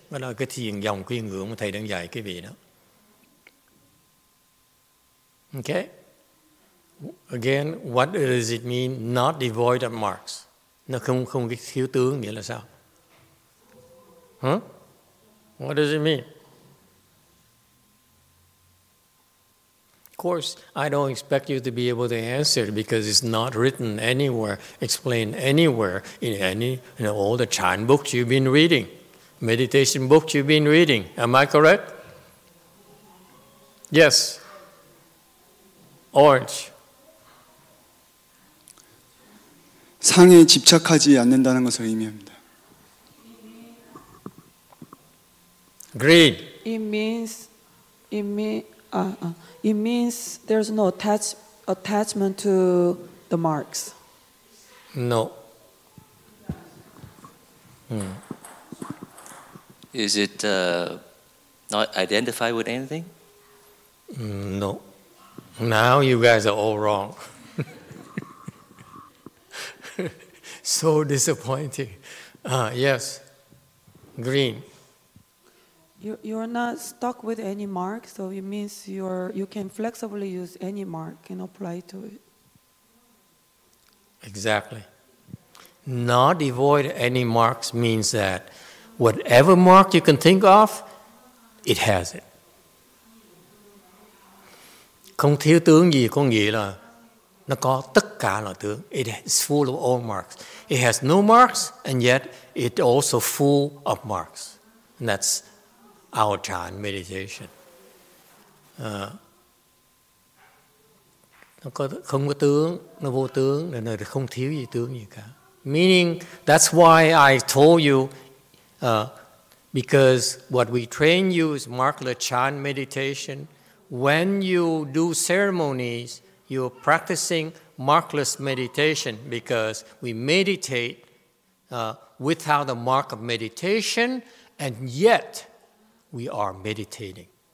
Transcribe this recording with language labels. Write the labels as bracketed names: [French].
[Vietnamese] Đó là cái thiền dòng quyên ngưỡng mà Thầy đang dạy quý vị đó. [English] Okay? Again, what does it mean, not devoid of marks? [Vietnamese] Nó không cái thiếu tướng nghĩa là sao? [English] What does it mean? Of course, I don't expect you to be able to answer it because it's not written anywhere, explained anywhere in any, all the Chan books you've been reading, meditation books you've been reading. Am I correct? Yes. Orange. [Korean] 상에 집착하지 않는다는 것을 의미합니다. [English] Green. It means there's no attachment to the marks. No. Is it not identified with anything? No. Now you guys are all wrong. So disappointing. Yes, green. You're not stuck with any mark, so it means you can flexibly use any mark and apply to it. Exactly. Not devoid any marks means that whatever mark you can think of, it has it. [Vietnamese] Không thiếu tướng gì có nghĩa là nó có tất cả là tướng. [English] It is full of all marks. It has no marks, and yet it also full of marks. And that's our Chan meditation. [Vietnamese] Nó có, không có tướng, nó vô tướng, nên nó không thiếu gì tướng gì cả. [English] Meaning, that's why I told you, because what we train you is markless Chan meditation. When you do ceremonies, you're practicing markless meditation because we meditate without the mark of meditation, and yet we are meditating.